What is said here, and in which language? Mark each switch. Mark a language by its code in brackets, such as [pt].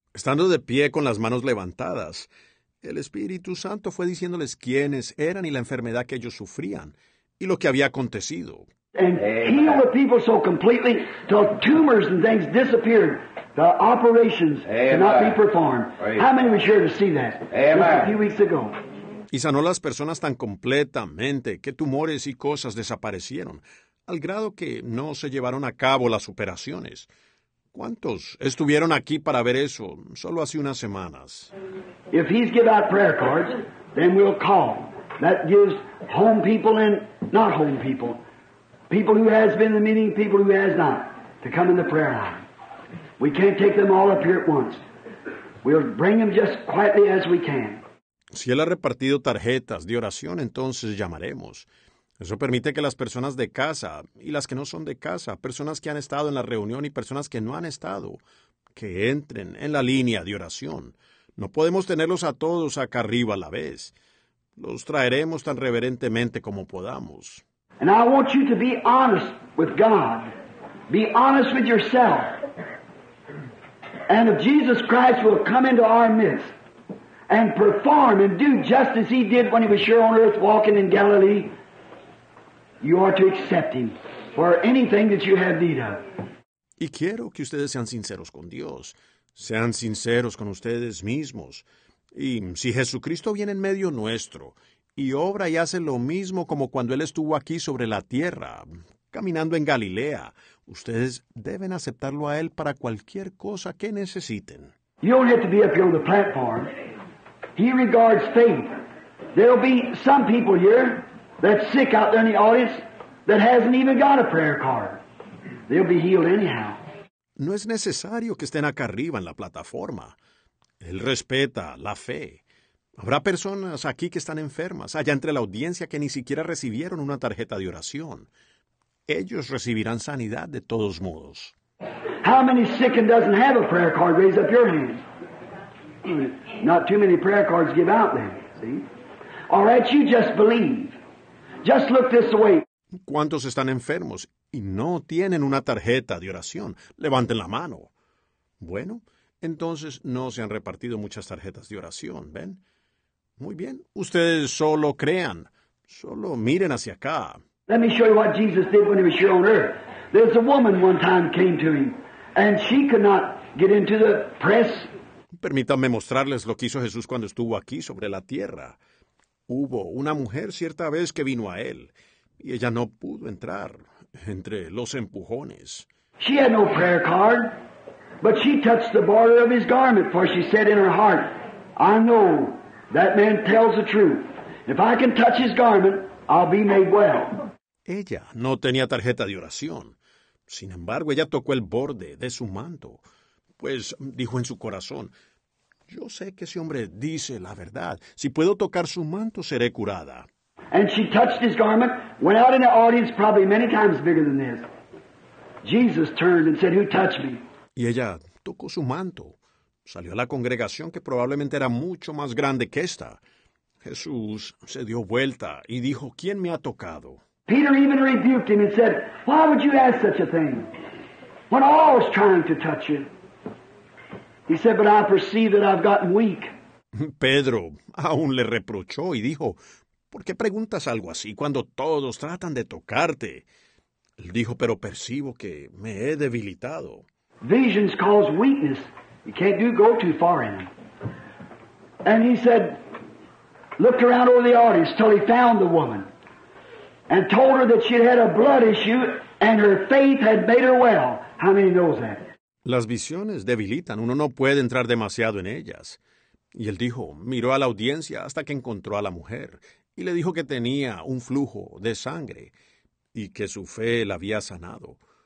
[es] Estando de pie con las manos levantadas, el Espíritu Santo fue diciéndoles quiénes eran y la enfermedad que ellos sufrían y lo que había acontecido. [en] And healed the people so completely till tumors and things disappeared. The operations cannot be performed. How many were here to see that? Just a few weeks ago. [es] Y sanó las personas tan completamente que tumores y cosas desaparecieron, al grado que no se llevaron a cabo las operaciones. ¿Cuántos estuvieron aquí para ver eso solo hace unas semanas? [en] If he's give out prayer cards, then we'll call. That gives home people and not home people, people who has been in the meeting, people who has not, to come in the prayer line. We can't take them all up here at once. We'll bring them just quietly as we can. [es] Si él ha repartido tarjetas de oración, entonces llamaremos. Eso permite que las personas de casa y las que no son de casa, personas que han estado en la reunión y personas que no han estado, que entren en la línea de oración. No podemos tenerlos a todos acá arriba a la vez. Los traeremos tan reverentemente como podamos. [en] And I want you to be honest with God. Be honest with yourself. And if Jesus Christ will come into our midst, and perform and do just as he did when he was here on earth walking in Galilee, you are to accept him for anything that you have need of. [es] Y quiero que ustedes sean sinceros con Dios, sean sinceros con ustedes mismos. Y si Jesucristo viene en medio nuestro y obra y hace lo mismo como cuando él estuvo aquí sobre la tierra, caminando en Galilea, ustedes deben aceptarlo a él para cualquier cosa que necesiten. [en] You don't have to be up here on the platform. He regards faith. There'll be some people here that's sick out there in the audience that hasn't even got a prayer card. They'll be healed anyhow. [es] No es necesario que estén acá arriba en la plataforma. Él respeta la fe. Habrá personas aquí que están enfermas, allá entre la audiencia que ni siquiera recibieron una tarjeta de oración. Ellos recibirán sanidad de todos modos. [en] How many sick and doesn't have a prayer card? Raise up your hands. Not too many prayer cards give out then, see? All right, you just believe. Just look this way. [es] ¿Cuántos están enfermos y no tienen una tarjeta de oración? Levanten la mano. Bueno, entonces no se han repartido muchas tarjetas de oración, ¿ven? Muy bien, ustedes solo crean. Solo miren hacia acá. [en] Let me show you what Jesus did when he was here on earth. There's a woman one time came to him, and she could not get into the press. [es] Permítanme mostrarles lo que hizo Jesús cuando estuvo aquí sobre la tierra. Hubo una mujer cierta vez que vino a él, y ella no pudo entrar entre los empujones. [en] She had no prayer card, but she touched the border of his garment, for she said in her heart, I know that man tells the truth. If I can touch his garment, I'll be made well. [es] Ella no tenía tarjeta de oración. Sin embargo, ella tocó el borde de su manto, pues dijo en su corazón, yo sé que ese hombre dice la verdad. Si puedo tocar su manto, seré curada. [en] And she touched his garment, went out in the audience probably many times bigger than this. Jesus turned and said, who touched me? [es] Y ella tocó su manto. Salió a la congregación que probablemente era mucho más grande que esta. Jesús se dio vuelta y dijo, ¿quién me ha tocado? [en] Peter even rebuked him and said, why would you ask such a thing? When all was trying to touch you. He said, but I perceive that I've gotten weak. [es] Pedro aún le reprochó y dijo, ¿por qué preguntas algo así cuando todos tratan de tocarte? Él dijo, pero percibo que me he debilitado. [en] Visions cause weakness. You can't go too far in them. And he said, looked around over the audience till he found the woman and told her that she had a blood issue and her faith had made her well. How many knows that? [es] Las visiones debilitan. Uno no puede entrar demasiado en ellas. Y él dijo, miró a la audiencia hasta que encontró a la mujer y le dijo que tenía un flujo de sangre y que su fe la había sanado.